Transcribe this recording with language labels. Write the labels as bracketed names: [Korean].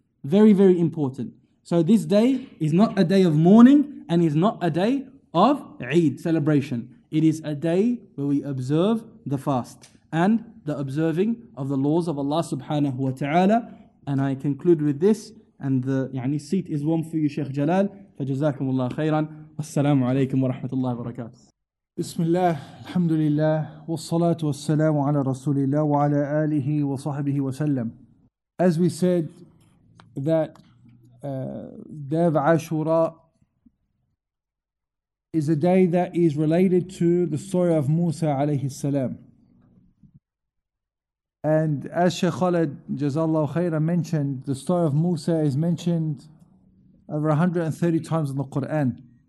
[English] Very, very important. So this day is not a day of mourning and is not a day of Eid celebration. It is a day where we observe the fast and the observing of the laws of Allah subhanahu wa ta'ala. And I conclude with this, and the يعني, seat is warm for you, Sheikh Jalal. [Arabic] فجزاكم الله خيرا والسلام عليكم ورحمة الله وبركاته. بسم الله الحمد لله والصلاة والسلام على رسول الله وعلى آله وصحبه وسلم. [English] As we said that day of Ashura is a day that is related to the story of Musa عليه السلام. And as Sheikh Khaled Jazallahu Khaira mentioned, the story of Musa is mentioned over 130 times in the Quran.